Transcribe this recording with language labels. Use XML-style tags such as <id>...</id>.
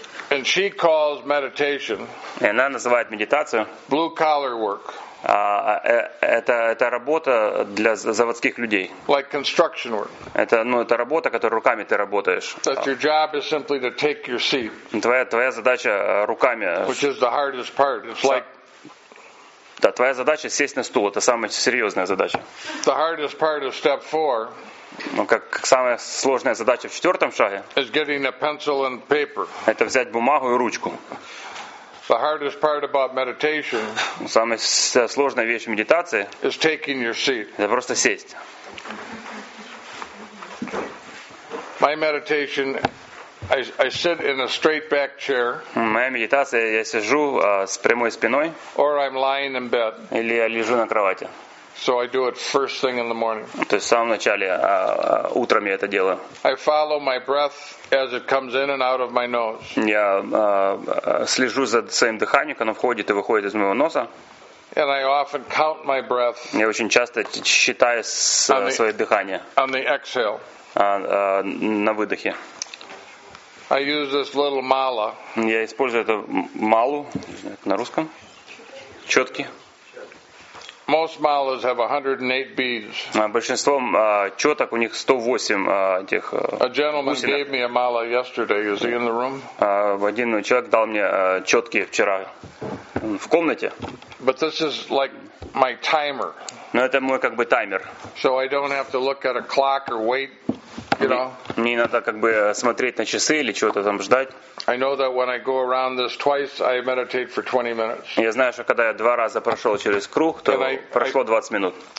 <en>And she calls meditation.</en> <ru>И она называет медитацию.</ru> <en>Blue collar work.</en> <ru>Это работа для заводских людей.</ru> <en>Like construction work.</en> <ru>Это работа, которой руками ты работаешь.</ru> <en>That your job is simply to take your seat.</en> <ru>Твоя задача руками.</ru> <en>Which is the hardest part. It's like.</en> <ru>Да, твоя задача сесть на стул. Это самая серьезная задача.</ru> <en>The hardest part of step four.</en> <ru>Ну, как самая сложная задача в четвертом шаге.</ru> <en>Is getting a pencil and paper.</en> <ru>Это взять бумагу и ручку.</ru> <en>The hardest part about meditation.</en> <ru>Самая сложная вещь в медитации.</ru> <en>Is taking your seat.</en> <ru>Это просто сесть.</ru> <en>My meditation. I sit in a straight back chair.</en> <ru>Моя медитация. Я сижу с прямой спиной.</ru> <en>Or I'm lying in bed.</en> <ru>Или я лежу на кровати.</ru> <en>So I do it first thing in the morning.</en> <ru>То есть в самом начале, утром я это делаю.</ru> <en>I follow my breath as it comes in and out of my nose.</en> <ru>Я слежу за своим дыханием, оно входит и выходит из моего носа.</ru> <en>And I often count my breath.</en> <ru>Я очень часто считаю свое дыхание.</ru> <en>On the exhale.</en> <ru>На выдохе.</ru> <en>I use this little mala.</en> <ru>Я использую эту малу, на русском. Четки.</ru> <en>Most malas have 108 beads.</en> <ru>Большинство чёток у них 108 этих.</ru> <en>A gentleman gave me a mala yesterday. Is he in the room?</en> <ru>Один человек дал мне чётки вчера в комнате.</ru> <en>But this is like my timer.</en> <ru>Но это мой как бы таймер.</ru> <en>So I don't have to look at a clock or wait. You know,</en> <ru>не надо как бы смотреть на часы или чего-то там ждать. Я знаю, что когда я два раза прошел через круг, то прошло 20 минут.</ru>